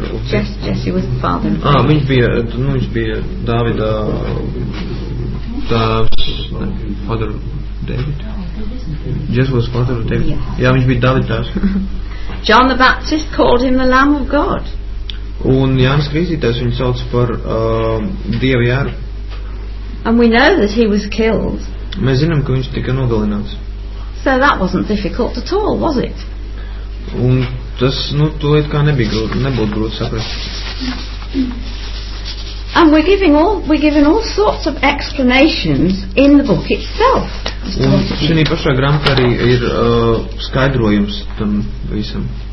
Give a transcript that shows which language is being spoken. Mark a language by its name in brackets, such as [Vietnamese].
[English] Jesse was the father of David. [Latvian] Viņš bija Dāvida tāvs, [English] father of David. Jesus was father of David. Yes. [Latvian] Viņš bija Davidās. [English] John the Baptist called him the Lamb of God. [Latvian] Un Jānis Krīstītājs viņu sauc par Dieva jēru. [English] And we know that he was killed. [Latvian] Mēs zinām, ka viņš tika nogalināts. [English] So that wasn't difficult at all, was it? [Latvian] Un tas, to it kā nebūtu grūti saprast. [English] And we're giving all sorts of explanations in the book itself. [Latvian] Un šī pašā grāmatā arī ir skaidrojums tam visam.